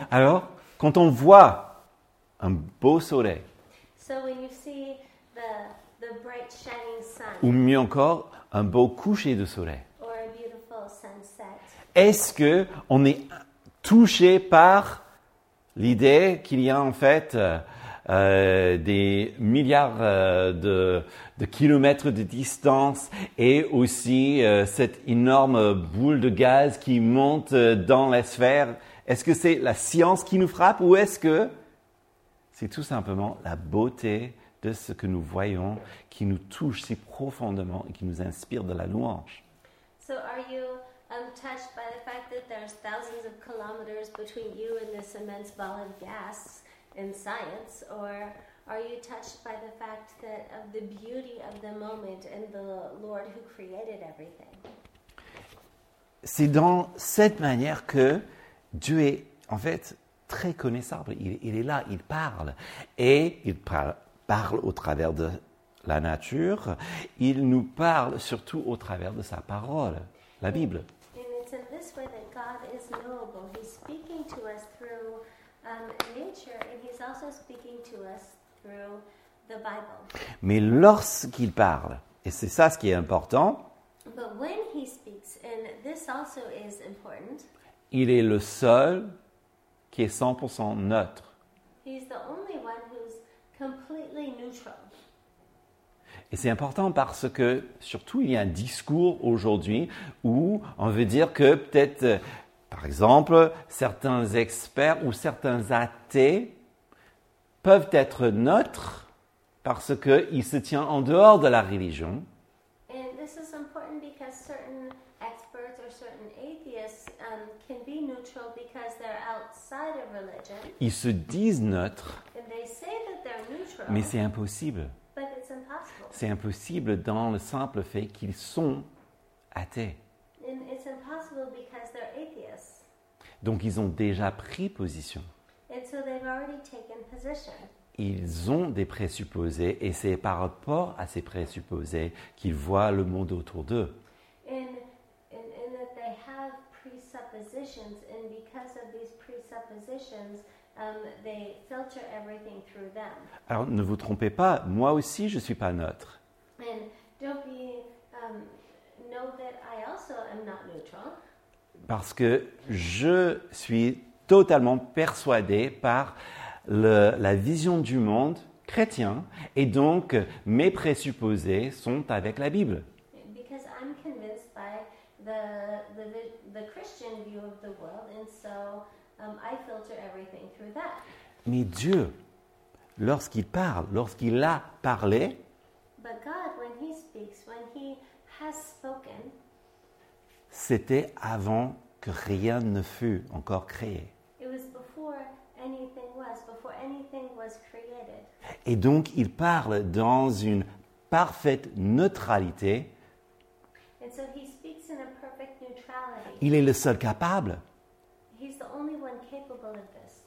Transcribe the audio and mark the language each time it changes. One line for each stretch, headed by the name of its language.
French: Alors, quand on voit un beau soleil,
English: so when you see the bright shining sun,
French: ou mieux encore, un beau coucher de soleil,
English: or a beautiful
French: est-ce que on est touché par l'idée qu'il y a en fait des milliards de kilomètres de distance et aussi cette énorme boule de gaz qui monte dans la sphère. Est-ce que c'est la science qui nous frappe ou est-ce que c'est tout simplement la beauté de ce que nous voyons qui nous touche si profondément et qui nous inspire de la louange?
English: So are you touched by the fact that there's thousands of kilometers between you and this immense ball of gas in science, or are you touched by the fact that of the beauty of the moment and the Lord who created everything?
French: C'est dans cette manière que Dieu est en fait très connaissable. Il est là, il parle et il parle au travers de la nature. Il nous parle surtout au travers de sa parole, la Bible.
English: And it's in this way that God is knowable. He's speaking to us through nature, and he's also speaking to us through the Bible.
French: Mais lorsqu'il parle, et c'est ça ce qui est important,
English: but when he speaks, and this also is important,
French: il est le seul qui est 100% neutre.
English: He's the only one who's completely neutral.
French: Et c'est important parce que, surtout, il y a un discours aujourd'hui où on veut dire que peut-être, par exemple, certains experts ou certains athées peuvent être neutres parce qu'ils se tiennent en dehors de la religion.
English: And this is important because certain experts or certain atheists can be neutral because they're outside of religion.
French: Ils se disent neutres.
English: And they say that they're neutral.
French: Mais c'est impossible.
English: But it's impossible.
French: C'est impossible dans le simple fait qu'ils sont athées.
English: And it's impossible because they're atheists.
French: Donc ils ont déjà pris position.
English: And so they've already taken position.
French: Ils ont des présupposés et c'est par rapport à ces présupposés qu'ils voient le monde autour d'eux.
English: And that they have presuppositions, and because of these presuppositions, they filter everything through them.
French: Alors ne vous trompez pas, moi aussi je ne suis pas neutre.
English: And don't be, know that I also am not neutral.
French: Parce que je suis totalement persuadé par la vision du monde chrétien et donc mes présupposés sont avec la Bible.
English: Because I'm convinced by the Christian view of the world, and so I filter everything through that.
French: Mais Dieu, lorsqu'il parle, lorsqu'il a parlé,
English: but God, when he speaks, when he has spoken,
French: c'était avant que rien ne fût encore créé.
English: It was before anything was, before anything was created.
French: Et donc, il parle dans une parfaite neutralité.
English: And so he speaks in a perfect neutrality.
French: Il est le seul capable.
English: He's the only one capable of this.